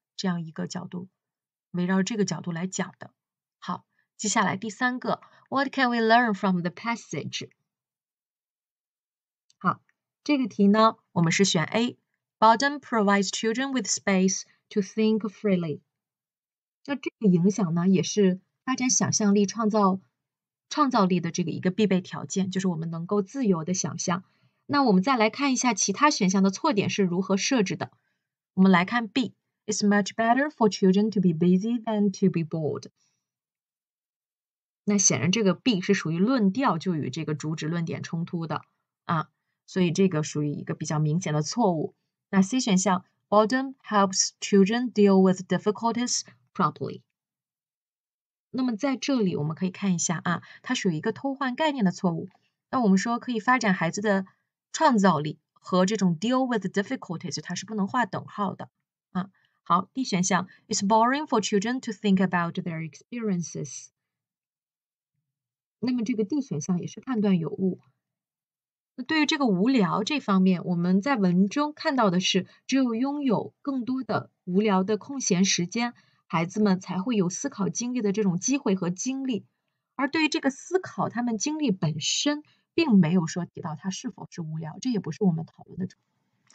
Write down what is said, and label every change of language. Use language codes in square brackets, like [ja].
[zh] 这样一个角度，围绕这个角度来讲的。好，接下来第三个 [en] ，What can we learn from the passage？ [zh] 好，这个题呢，我们是选 A。 [en] Boredom provides children with space to think freely。 [zh] 那这个影响呢，也是发展想象力、创造力的这个一个必备条件，就是我们能够自由的想象。那我们再来看一下其他选项的错点是如何设置的。我们来看 B。 [en] It's much better for children to be busy than to be bored。 [zh] 那显然这个 B 是属于论调就与这个主旨论点冲突的啊，所以这个属于一个比较明显的错误。那 C 选项 [en] Boredom helps children deal with difficulties properly。 [zh] 那么在这里我们可以看一下啊，它属于一个偷换概念的错误。那我们说可以发展孩子的创造力和这种 [en] deal with difficulties [zh] 它是不能画等号的啊。好， D 选项 [en] It's boring for children to think about their experiences。 [zh] 那么这个 D 选项也是判断有误。那对于这个无聊这方面，我们在文中看到的是只有拥有更多的无聊的空闲时间，孩子们才会有思考经历的这种机会和精力。而对于这个思考他们经历本身并没有说提到它是否是无聊，这也不是我们讨论的主题。